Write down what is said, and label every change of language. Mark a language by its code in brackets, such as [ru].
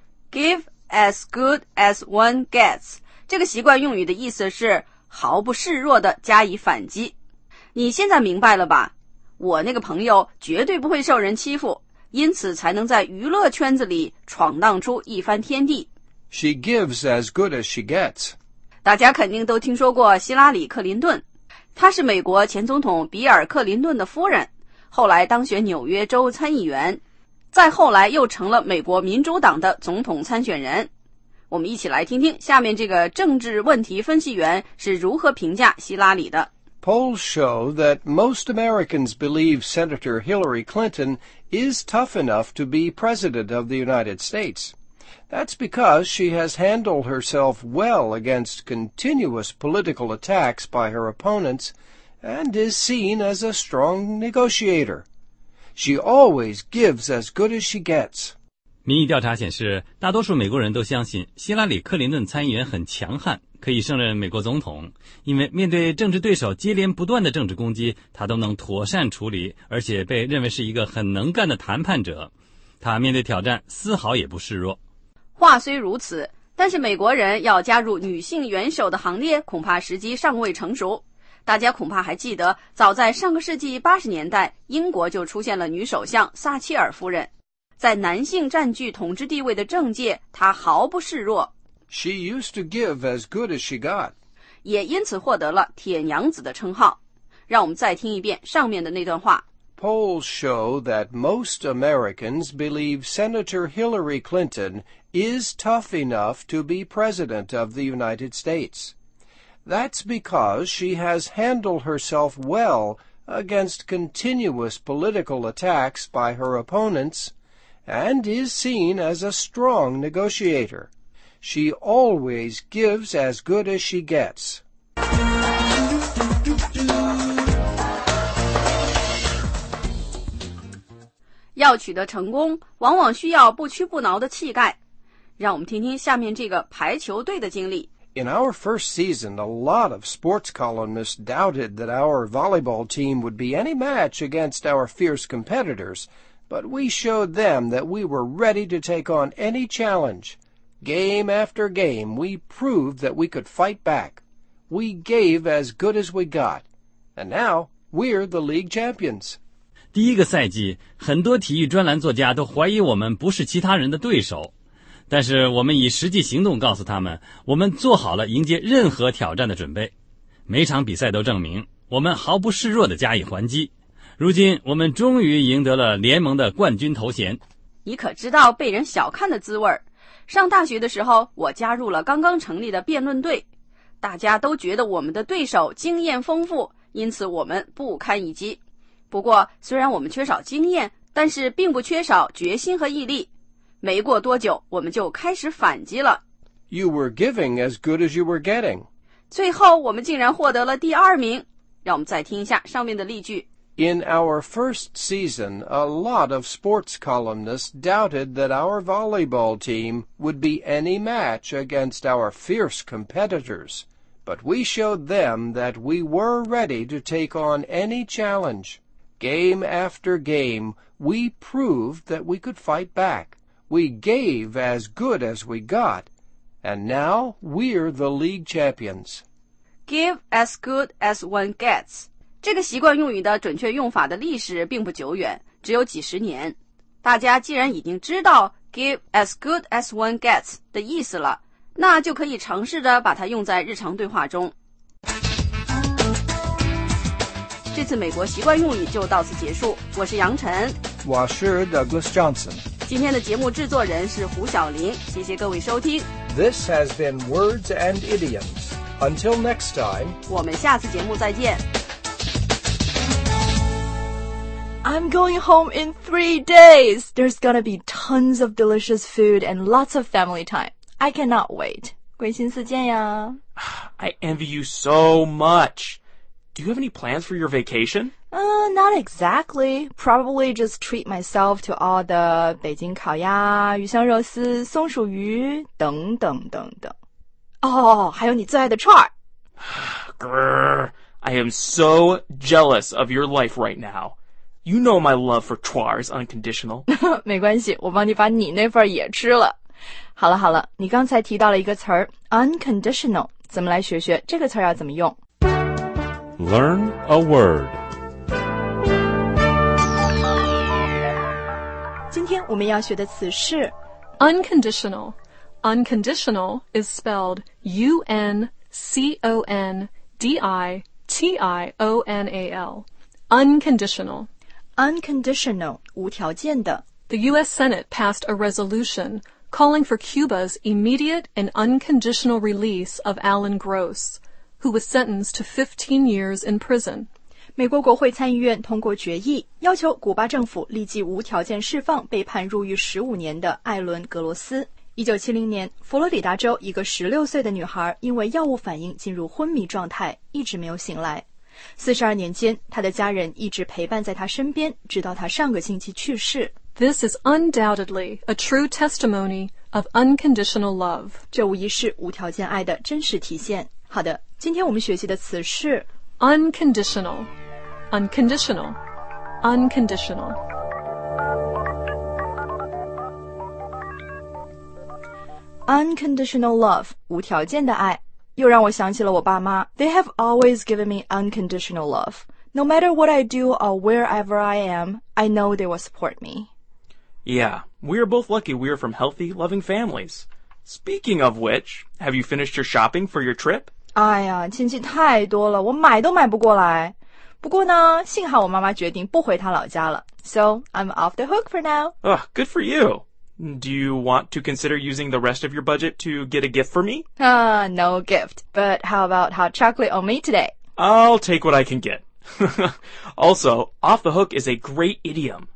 [en] Give as good as one gets. [zh] 这个习惯用语的意思是毫不示弱地加以反击。你现在明白了吧？我那个朋友绝对不会受人欺负，因此才能在娱乐圈子里闯荡出一番天地。 [en] She gives as good as she gets. [zh] 大家肯定都听说过希拉里·克林顿，她是美国前总统比尔·克林顿的夫人，后来当选纽约州参议员，再后来又成了美国民主党的总统参选人。我们一起来听听下面这个政治问题分析员是如何评价希拉里的。 [en] Polls show that most Americans believe Senator Hillary Clinton is tough enough to be President of the United States. That's because she has handled herself well against continuous political attacks by her opponents and is seen as a strong negotiator. She always gives as good as she gets. [zh] 民意调查显示，大多数美国人都相信希拉里·克林顿参议员很强悍。可以胜任美国总统，因为面对政治对手接连不断的政治攻击，他都能妥善处理，而且被认为是一个很能干的谈判者。他面对挑战丝毫也不示弱。话虽如此，但是美国人要加入女性元首的行列，恐怕时机尚未成熟。大家恐怕还记得，早在上个世纪80年代，英国就出现了女首相撒切尔夫人。在男性占据统治地位的政界，她毫不示弱。 [en] She used to give as good as she got. [zh] 也因此获得了铁娘子的称号。让我们再听一遍上面的那段话。 [en] Polls show that most Americans believe Senator Hillary Clinton is tough enough to be President of the United States. That's because she has handled herself well against continuous political attacks by her opponents and is seen as a strong negotiator. She always gives as good as she gets. [zh] 要取得成功，往往需要不屈不挠的气概。让我们听听下面这个排球队的经历。 [en] In our first season, a lot of sports columnists doubted that our volleyball team would be any match against our fierce competitors, but we showed them that we were ready to take on any challenge. Game after game, we proved that we could fight back. We gave as good as we got. And now, we're the league champions. [zh] 第一个赛季，很多体育专栏作家都怀疑我们不是其他人的对手。但是我们以实际行动告诉他们，我们做好了迎接任何挑战的准备。每场比赛都证明，我们毫不示弱地加以还击。如今，我们终于赢得了联盟的冠军头衔。你可知道被人小看的滋味？上大学的时候，我加入了刚刚成立的辩论队，大家都觉得我们的对手经验丰富，因此我们不堪一击。不过，虽然我们缺少经验，但是并不缺少决心和毅力。没过多久，我们就开始反击了。 [en] You were giving as good as you were getting. [zh] 最后，我们竟然获得了第二名。让我们再听一下上面的例句。 [en] In our first season, a lot of sports columnists doubted that our volleyball team would be any match against our fierce competitors. But we showed them that we were ready to take on any challenge. Game after game, we proved that we could fight back. We gave as good as we got. And now we're the league champions. Give as good as one gets. [zh] 这个习惯用语的准确用法的历史并不久远，只有几十年。大家既然已经知道 [en] give as good as one gets [zh] 的意思了，那就可以尝试着把它用在日常对话中。这次美国习惯用语就到此结束，我是杨晨，我是 Douglas Johnson。今天的节目制作人是胡晓林，谢谢各位收听。 [en] This has been Words and Idioms. Until next time, [zh] 我们下次节目再见。 [en] I'm going home in 3 days. There's gonna be tons of delicious food and lots of family time. I cannot wait. [zh] 归心似箭呀。 [en] I envy you so much. Do you have any plans for your vacation? Not exactly. Probably just treat myself to all the [zh] 北京烤鸭、鱼香肉丝、松鼠鱼等等等等。 Oh, 还有你最爱的串。 [en] Grr, I am so jealous of your life right now. You know my love for chuar is unconditional. [zh] 没关系，我帮你把你那份也吃了。好了好了，你刚才提到了一个词儿 unconditional， 咱们来学学这个词儿要怎么用。 [en] Learn a word. [zh] 今天我们要学的词是 [en] unconditional. Unconditional is spelled UNCONDITIONAL. Unconditional. Unconditional, [zh] 无条件的。 [en] The U.S. Senate passed a resolution calling for Cuba's immediate and unconditional release of Alan Gross, who was sentenced to 15 years in prison. [zh] 美国国会参议院通过决议，要求古巴政府立即无条件释放被判入狱15年的艾伦·格罗斯。 1970年，佛罗里达州一个16岁的女孩因为药物反应进入昏迷状态，一直没有醒来。 42年间，他的家人一直陪伴在他身边，直到他上个星期去世。 [en] This is undoubtedly a true testimony of unconditional love. [zh] 这无疑是无条件爱的真实体现。好的，今天我们学习的词是 [en] unconditional, unconditional, unconditional. unconditional love, [zh] 无条件的爱。又让我想起了我爸妈。 [en] They have always given me unconditional love. No matter what I do or wherever I am, I know they will support me. Yeah, we are both lucky we are from healthy, loving families. Speaking of which, have you finished your shopping for your trip? [zh] 哎呀，亲戚太多了，我买都买不过来。不过呢，幸好我妈妈决定不回她老家了。 [en] So, I'm off the hook for now. Oh, good for you. Do you want to consider using the rest of your budget to get a gift for me? No gift. But how about hot chocolate on me today? I'll take what I can get. Also, off the hook is a great idiom.